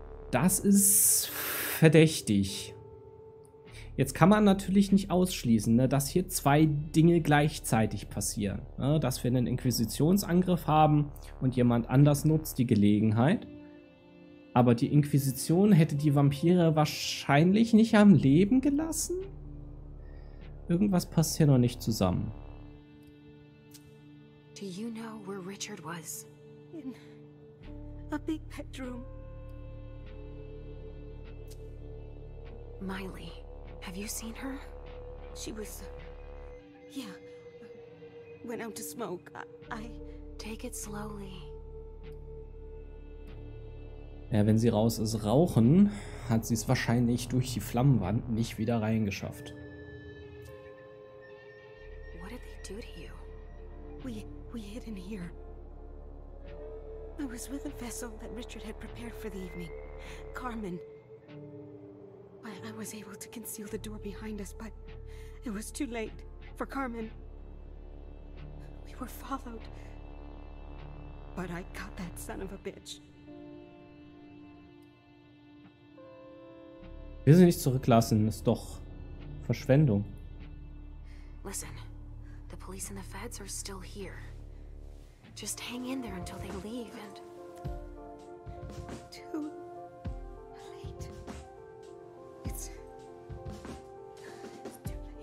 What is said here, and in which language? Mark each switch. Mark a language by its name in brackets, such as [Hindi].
[German] Das ist verdächtig. Jetzt kann man natürlich nicht ausschließen, ne, dass hier zwei Dinge gleichzeitig passieren. Ne, dass wir einen Inquisitionsangriff haben und jemand anders nutzt die Gelegenheit. Aber die Inquisition hätte die Vampire wahrscheinlich nicht am Leben gelassen? Irgendwas passt hier noch nicht zusammen. [English] Do you know where Richard was? In a big bedroom. Miley, have you seen her? She was... Yeah. Went out to smoke. I take it slowly. [German] Ja, wenn sie raus ist rauchen, hat sie es wahrscheinlich durch die Flammenwand nicht wieder reingeschafft. [English] What did they do to you? We hid in here. I was with a vessel that Richard had prepared for the evening. Carmen. I was able to conceal the door behind us, but it was too late for Carmen. We were followed. But I got that son of a bitch. [German] Will sie nicht zurücklassen, ist doch Verschwendung. [English] Listen, the police and the feds are still here. Just hang in there until they leave and... Too late. It's too late.